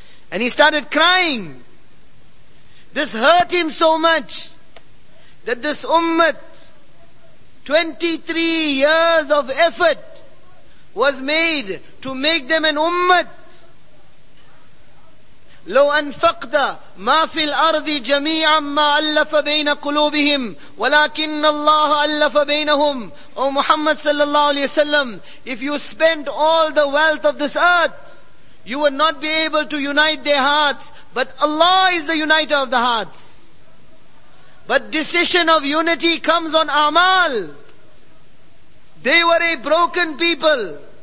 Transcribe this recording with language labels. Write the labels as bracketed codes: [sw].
[en] And he started crying. This hurt him so much that this ummah, 23 years of effort, was made to make them an ummah. [ar] لو أنفقت ما في الأرض جميعا ما ألف بين قلوبهم ولكن الله ألف بينهم. [en] O Muhammad sallallahu alayhi wa sallam, if you spend all the wealth of this earth, you would not be able to unite their hearts, but Allah is the uniter of the hearts. But decision of unity comes on amal. They were a broken people.